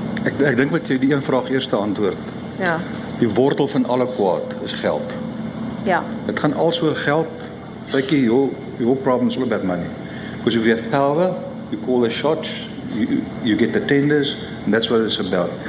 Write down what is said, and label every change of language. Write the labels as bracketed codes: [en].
[af] Ek dink wat jy die een vraag eerste antwoord. Ja. Die wortel van alle kwaad is geld. Ja. Het gaan als oor geld, [en] like your problem is all about money. Because if you have power, you call the shots, you get the tenders, and that's what it's about.